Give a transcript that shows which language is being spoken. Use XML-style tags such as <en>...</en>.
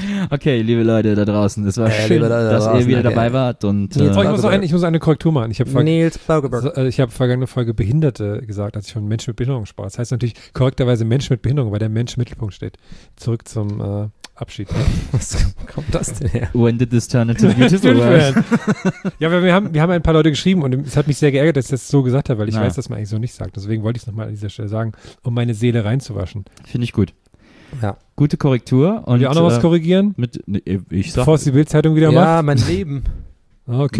<de>Okay, liebe Leute da draußen, es war schön, Leute, da dass draußen, ihr wieder dabei wart. Und, oh, ich muss eine Korrektur machen. Ich hab vergangene Folge Behinderte gesagt, als ich von Menschen mit Behinderung sprach. Das heißt natürlich korrekterweise Menschen mit Behinderung, weil der Mensch im Mittelpunkt steht. Zurück zum... Abschied. Ne? Was kommt das denn her?</de> <en>When did this turn into beautiful world?</en> <de>Ja, wir haben ein paar Leute geschrieben und es hat mich sehr geärgert, dass ich das so gesagt habe, weil ich weiß, dass man eigentlich so nicht sagt. Deswegen wollte ich es nochmal an dieser Stelle sagen, um meine Seele reinzuwaschen. Finde ich gut. Ja. Gute Korrektur. Und wir auch noch was korrigieren? Bevor es die Bild-Zeitung wieder macht? Ja, mein Leben. Okay.</de>